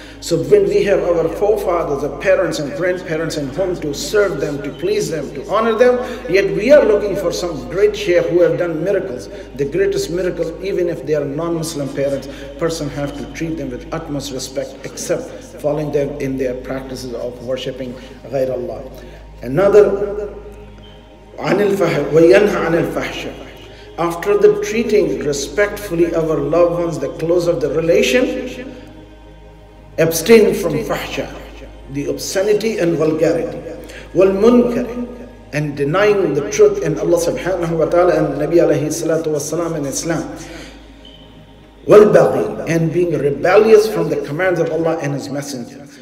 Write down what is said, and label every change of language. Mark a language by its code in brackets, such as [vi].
[en] So when we have our forefathers, the parents and grandparents in home to serve them, to please them, to honor them, yet we are looking for some great sheikh who have done miracles. The greatest miracle, even if they are non-Muslim parents, person have to treat them with utmost respect, except following them in their practices of worshipping ghayr Allah. [ar] Another, وَيَنْهَ عَنِ الْفَحْشَ. [en] After the treating respectfully our loved ones, the close of the relation, abstain from fahsha, the obscenity and vulgarity, وَالْمُنْكَرِ, and denying the truth in Allah subhanahu wa ta'ala and Nabi alayhi salatu wasalam in Islam, وَالْبَغِي, and being rebellious from the commands of Allah and His Messenger.